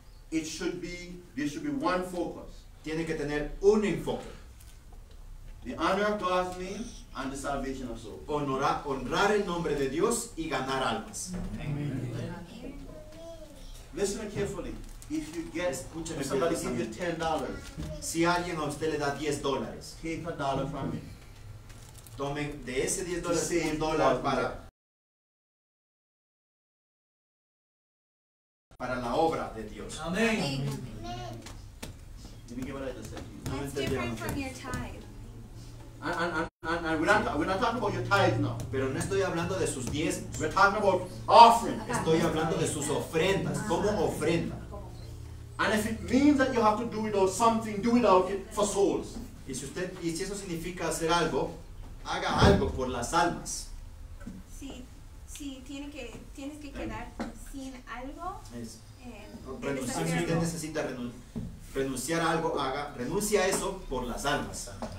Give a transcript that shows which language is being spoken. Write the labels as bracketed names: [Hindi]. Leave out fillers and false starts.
[English] it should be, there should be one focus. [Spanish] Tiene que tener un enfoque. [English] The honor of God's name and the salvation of souls. [Spanish] Honrar el nombre de Dios y ganar almas. [English] Amen. Listen carefully. If you get, [Spanish] escúchame, [English] somebody give you $10. [Spanish] Si alguien a usted le da $10, [English] keep a dollar from me. [Spanish] Tome de ese $10 un dólar para la obra de Dios. [English] Amen. Let me give what I just said. No, it's different from your tithe. And we're not talking about your tithe now. [Spanish] Pero no estoy hablando de sus diezmos. [English] We're talking about offering. [Spanish] Estoy hablando de sus ofrendas. Como ofrenda. [English] And if it means that you have to do it or something, do it out for souls. [Spanish] Y si usted, y si eso significa hacer algo, haga algo por las almas. Sí, tienes que quedar sin algo. Si usted necesita renunciar a algo, haga, renuncia a eso por las almas.